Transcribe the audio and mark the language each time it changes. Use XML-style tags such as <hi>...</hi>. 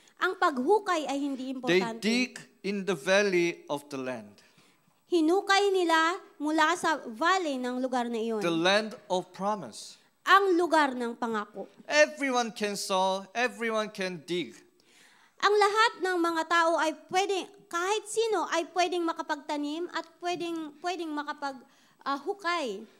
<tl>Ang paghukay ay hindi importante.</tl> <en>They dig in the valley of the land.</en> <tl>Hinukay nila mula sa valley ng lugar na iyon.</tl> <en>The land of promise.</en> <tl>Ang lugar ng pangako.</tl> <en>Everyone can sow, everyone can dig.</en> <tl>Ang lahat ng mga tao ay pwedeng, kahit sino ay pwedeng makapagtanim at pwedeng makapaghukay.</tl>